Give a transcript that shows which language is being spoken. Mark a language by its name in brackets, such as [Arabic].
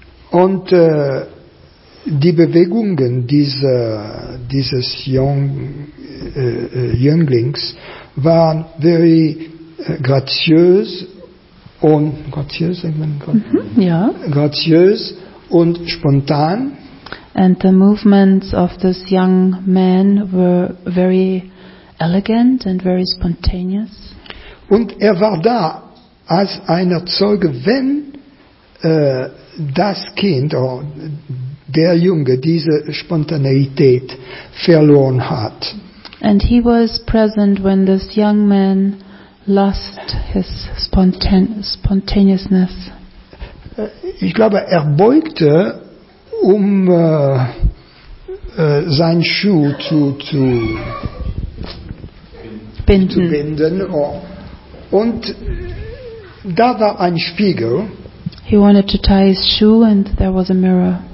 [German] Und die Bewegungen dieses Jünglings waren [English] very [German] graziös und graziös und spontan. [English] And the movements of this young man were very elegant and very spontaneous. [German] Und er war da als einer Zeuge, wenn das Kind oder der Junge diese Spontaneität verloren hat. [English] And he was present when this young man lost his spontaneousness. [German] Ich glaube, er beugte, um seinen Schuh zu binden. Und da war ein Spiegel. [English] He wanted to tie his shoe and there was a mirror.